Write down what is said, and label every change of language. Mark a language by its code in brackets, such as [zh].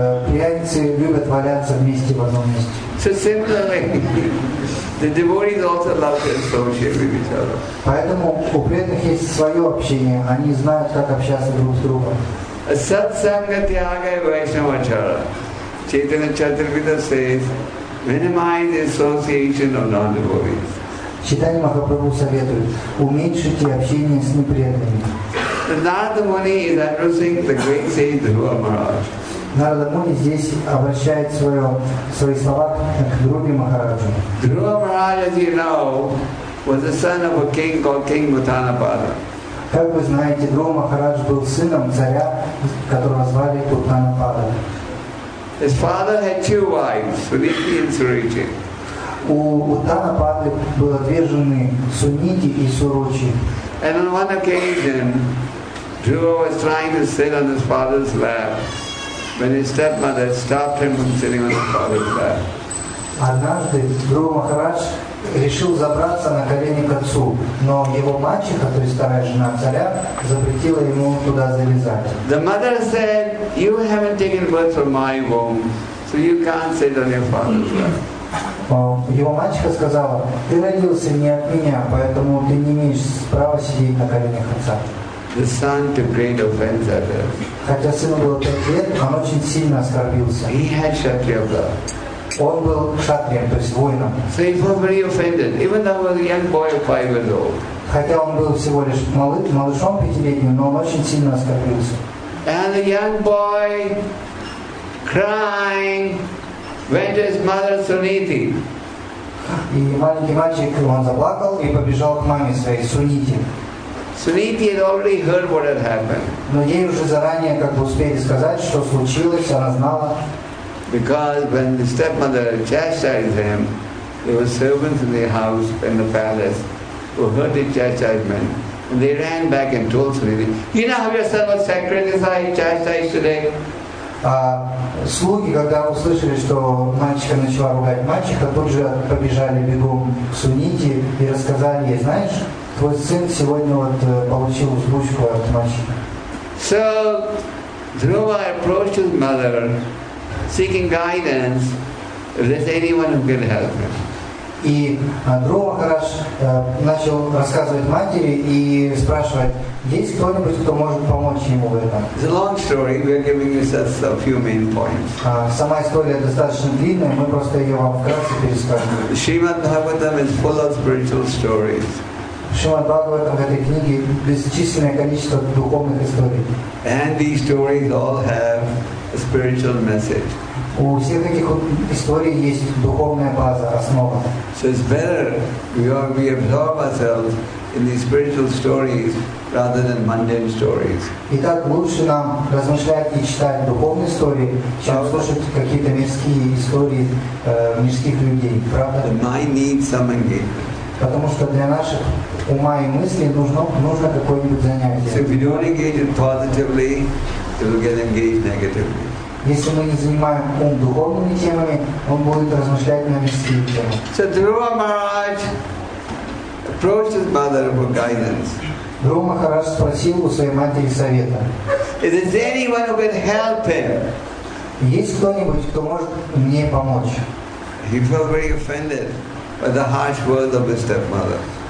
[ru] Пьяницы любят валяться вместе в одном месте. [en] So similarly, the devotees also love to associate with each other. [ru] Поэтому у преданных есть свое общение, они знают, как общаться друг с другом. [sa] Satsanga Tyagai Vaishnavachara. [en] Chaitanya Chaturvedi says, minimize association of non-devotees. [ru] Chaitanya Mahaprabhu советует, уменьшите общение с непреданными. [en] Narada Muni is addressing the great sage Dhruva Maharaj. [ru] Narada Muni здесь обращает свои слова к Дхруве Махараджу. [en] Dhruva Maharaj, as you know, was the son of a king called King Bhutanapada. [ru] Как вы знаете, Дхрува Махарадж был сыном царя, которого звали Бхутанапада. [en] His father had two wives, Suniti and Surochi. [ru] У Бхутанапады было две жены, Суниti и Surochi. [en] And on one occasion, Dhruva was trying to sit on his father's lap, when his stepmother stopped him from sitting on his father's lap. [ru] Однажды Дхрува Махарадж решил забраться на колени к отцу, но его мачеха, то есть старая жена царя, запретила ему туда залезать. [en] The mother said, "You haven't taken birth from my womb, so you can't sit on your father's lap." [ru] Его мачеха сказала: "Ты родился не от меня, поэтому ты не имеешь права сидеть на коленях отца." [en] The son took great offense at her. [ru] Хотя сыну было 5 лет, он очень сильно оскорбился. [en] He had kshatriya blood. [ru] Он был кшатрием, то есть воином. [en] So he was very offended, even though he was a young boy of 5 years old. [ru] Хотя он был всего лишь малышом 5-летним, но он очень сильно оскорбился. [en] And the young boy, crying, went to his mother Suniti. [ru] И маленький мальчик, он заплакал и побежал к маме своей Суниti. [en] Suniti had already heard what had happened. [ru] Но ей уже заранее как бы успели сказать, что случилось, она знала. [en] Because when the stepmother chastised him, there were servants in the house, in the palace, who heard the chastisement. And they ran back and told Suniti, "You know how your son was chastised today?" [ru] Слуги, когда услышали, что мальчика начала ругать мальчика, тут же побежали бегом к Суниti и рассказали ей, знаешь, твой сын сегодня вот получил взбучку от мальчика. [en] So, Dhruva approached his mother, seeking guidance, if there's anyone who can help him. [ru] И Дхрува Махарадж начал рассказывать матери и спрашивать, есть кто-нибудь, кто может помочь ему в этом? [en] It's a long story. We're giving you just a few main points. [ru] Сама история достаточно длинная, мы просто ее вам вкратце перескажем. [en] Shrimad Bhagavatam is full of spiritual stories. [ru] Шримад Бхагаватам в этой книге бесчисленное количество духовных историй. [en] And these stories all have a spiritual message. [ru] У всех этих историй есть духовная база, основа. [en] So it's better we absorb ourselves in these spiritual stories rather than mundane stories. [ru] Итак, лучше нам размышлять и читать духовные истории, чем слушать какие-то мирские истории мирских людей, правда? [en] The mind needs some engagement. [ru] Потому что для наших ума и мыслей нужно какое-нибудь занятие. [en] So if you don't engage it positively, it will get engaged negatively. [ru] Если мы не занимаем ум духовными темами, он будет размышлять на мирские темы. [en] So Dhruva Maharaj approached his mother for guidance. [ru] Dhruva Maharaj спросил у своей матери совета. [en] Is there anyone who can help him? [ru] Есть кто-нибудь, кто может мне помочь? [en] He felt very offended by the harsh words of his stepmother.